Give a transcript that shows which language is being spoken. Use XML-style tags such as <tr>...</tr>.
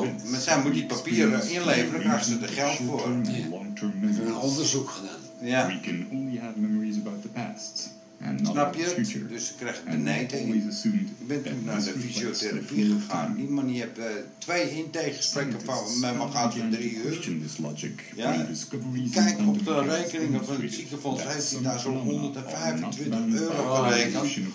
<nl>Maar zij moet die papieren inleveren, krijgt ze er geld voor. Yeah. Een onderzoek gedaan. Ja.</nl> <en>We can only have memories about the past.</en> <nl>Snap je? Dus ze krijgt een benijding. Ik ben toen naar de fysiotherapie gegaan. Die man heeft twee intakegesprekken van met me gehad in 3 uur. Ja? Kijk op de rekeningen van het ziekenfonds. Heeft hij daar zo'n €125 gerekend?</nl>